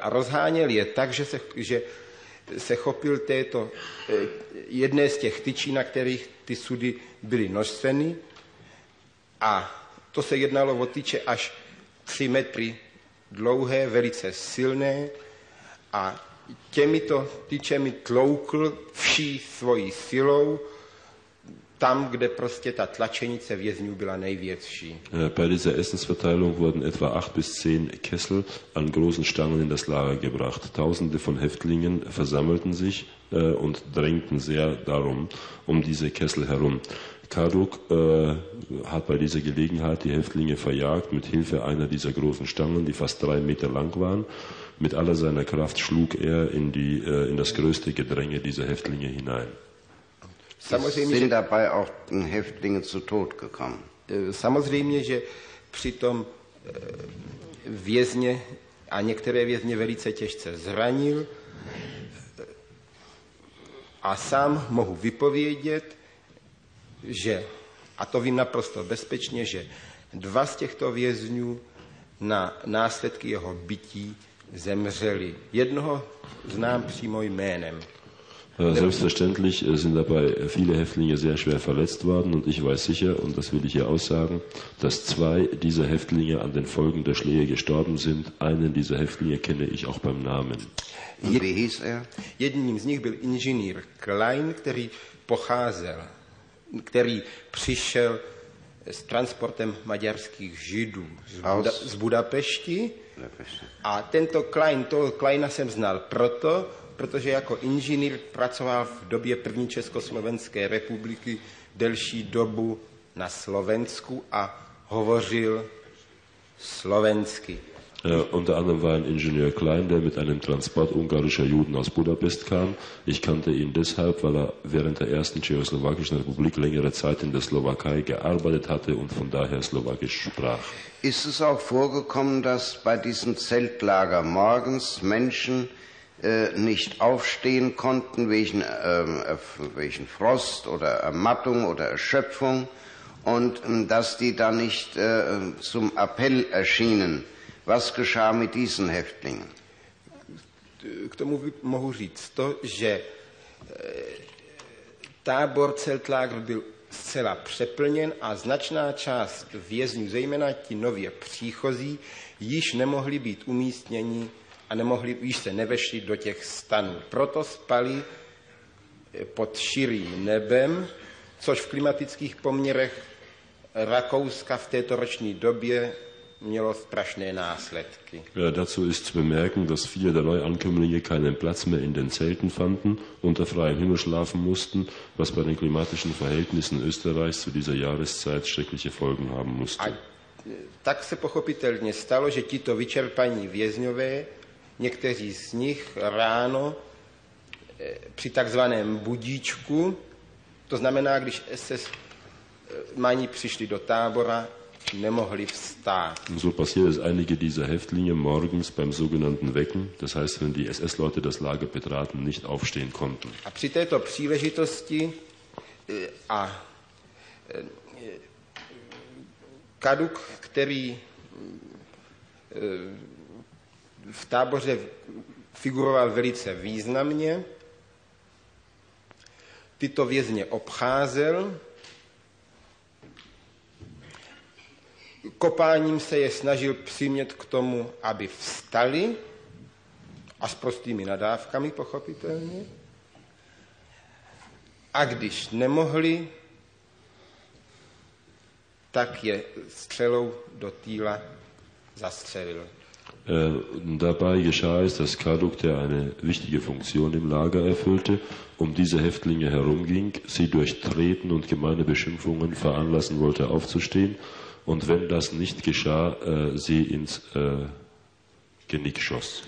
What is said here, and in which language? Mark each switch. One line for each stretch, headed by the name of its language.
Czech: A rozháněl je tak, že se chopil této jedné z těch tyčí, na kterých ty sudy byly nošeny, a to se jednalo o tyče až 3 metry dlouhé, velice silné, a těmito tyčemi tloukl vší svojí silou tam, kde prostě ta tlačenice vězňů byla největší.
German: Bei dieser Essensverteilung wurden etwa 8 bis 10 Kessel an großen Stangen in das Lager gebracht. Tausende von Häftlingen versammelten sich und drängten sehr darum, um diese Kessel herum. Karduk hat bei dieser Gelegenheit die Häftlinge verjagt mit Hilfe einer dieser großen Stangen, die fast 3 Meter lang waren. Mit aller seiner Kraft schlug er in das größte Gedränge dieser Häftlinge hinein.
Czech: Samozřejmě,
German: sind dabei auch Häftlinge zu Tod gekommen.
Czech: Samozřejmě, že přitom vězně a některé vězně velice těžce zranil. A sám mohu vypovědět, že, a to vím naprosto bezpečně, že 2 z těchto vězňů na následky jeho bití zemřeli. Jednoho znám přímo jménem.
German: Selbstverständlich sind dabei viele Häftlinge sehr schwer verletzt worden und ich weiß sicher, und das will ich hier aussagen, dass 2 dieser Häftlinge an den Folgen der Schläge gestorben sind. Einen dieser Häftlinge kenne ich auch beim Namen. Wie hieß er?
Czech: Jedním z nich byl inženýr Klein, který pocházel, který přišel s transportem maďarských Židů z Budapešti. A tento Klein, toho Kleina jsem znal proto, protože jako inženýr pracoval v době první Československé republiky delší dobu na Slovensku a hovořil slovensky.
German: Unter anderem war ein Ingenieur Klein, der mit einem Transport ungarischer Juden aus Budapest kam. Ich kannte ihn deshalb, weil er während der ersten tschechoslowakischen Republik längere Zeit in der Slowakei gearbeitet hatte und von daher Slowakisch sprach. Ist es auch vorgekommen, dass bei diesem Zeltlager morgens Menschen nicht aufstehen konnten wegen Frost oder Ermattung oder Erschöpfung und dass die da nicht zum Appell erschienen? Was geschah mit diesen Häftlingen?
Czech: K tomu mohu říct to, že tábor Zeltlager byl zcela přeplněn a značná část vězňů, zejména ti nově příchozí, již nemohli být umístněni a nemohli, již se nevešli do těch stanů. Proto spali pod širým nebem, což v klimatických poměrech Rakouska v této roční době mělo strašné následky.
German: Ja, dazu ist zu bemerken, dass viele der Neuankömmlinge keinen Platz mehr in den Zelten fanden, unter freiem Himmel schlafen mussten, was bei den klimatischen Verhältnissen Österreichs zu dieser Jahreszeit schreckliche Folgen haben musste.
Czech: A Tak se pochopitelně stalo, že tito vyčerpaní vězňové, někteří z nich ráno při takzvaném budíčku, to znamená, když SS mani přišli do tábora, nemohli vstát.
German: Und so passiert es, einige dieser Häftlinge morgens beim sogenannten Wecken, das heißt, wenn die SS-Leute das Lager betraten, nicht aufstehen konnten.
Czech: A při této příležitosti a Kaduk, který v táboře figuroval velice významně, tyto vězně obcházel, kopáním se je snažil přimět k tomu, aby vstali, a s prostými nadávkami, pochopitelně. A když nemohli, tak je střelou do týla zastřelil.
German: Dabei geschah es, dass Kaduk, der eine wichtige Funktion im Lager erfüllte, um diese Häftlinge herumging, sie durchtreten und gemeine Beschimpfungen veranlassen wollte, aufzustehen, und wenn das nicht geschah, sie ins Genick schoss.